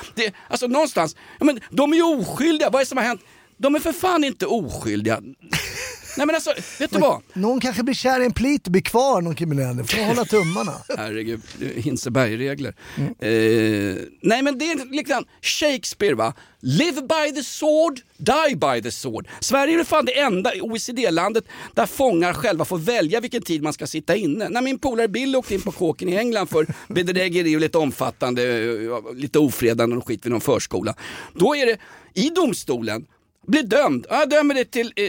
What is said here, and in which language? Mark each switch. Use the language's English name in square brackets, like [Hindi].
[Swedish] Det, alltså någonstans, men de är ju oskyldiga, vad är det som har hänt? De är för fan inte oskyldiga. Nej, men alltså, vet du vad? Någon kanske blir kär i en plit och blir kvar någon kriminell. Får hålla tummarna. Herregud, Hinsebergregler. Nej, men det är liksom Shakespeare, va? [English] Live by the sword, die by the sword. [Swedish] Sverige är fan det enda OECD-landet där fångar själva får välja vilken tid man ska sitta inne. När min polare Bill åkte in på kåken i England för bedrägeri och lite omfattande, lite ofredande och skit vid någon förskola. Då är det i domstolen Blir dömd. Jag dömer det till...